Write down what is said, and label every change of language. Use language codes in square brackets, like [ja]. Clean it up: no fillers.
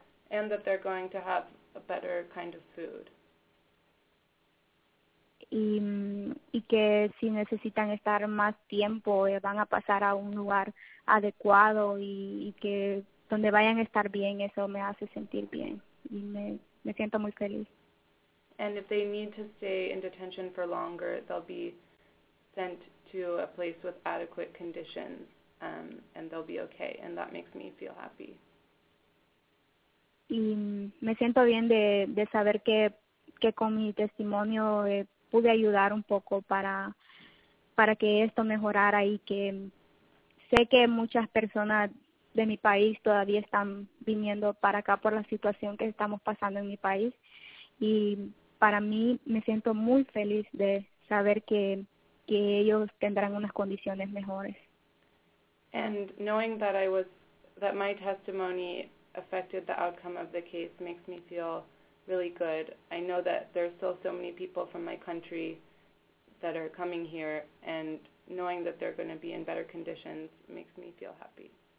[en] And that they're going to have a better kind of food. [es] Y que si necesitan estar más tiempo, van a pasar a un lugar adecuado y que donde vayan a estar bien, eso me hace sentir bien. Y me siento muy feliz. [en] And if they need to stay in detention for longer, they'll be sent to a place with adequate conditions, and they'll be okay, and that makes me feel happy. [es] Y me siento bien de saber que con mi testimonio pude ayudar un poco para que esto mejorara y que sé que muchas personas de mi país todavía están viniendo para acá por la situación que estamos pasando en mi país. Y para mí, me siento muy feliz de saber que ellos tendrán unas condiciones mejores. [en] And knowing that that my testimony affected the outcome of the case makes me feel really good. I know that there are still so many people from my country that are coming here, and knowing that they're going to be in better conditions makes me feel happy.